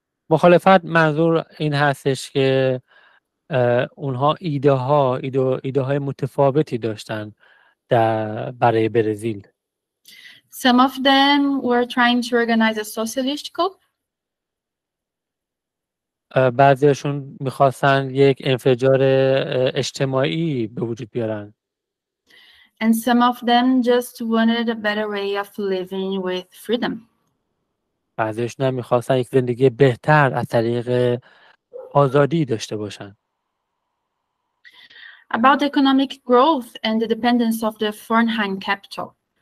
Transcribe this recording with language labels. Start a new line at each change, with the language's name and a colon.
Persian: مخالفت منظور این هستش که اونها ایده های متفاوتی داشتن برای برزیل.
English: Some of them were trying to organize a socialist coup.
Persian: بعضیشون میخواستن یک انفجار اجتماعی به وجود بیارن.
English: And some of them just wanted a better way of living with freedom.
Persian: بعضیشون هم میخواستن یک زندگی بهتر از طریق آزادی داشته باشن.
English: About economic growth and the dependence of the foreign capital.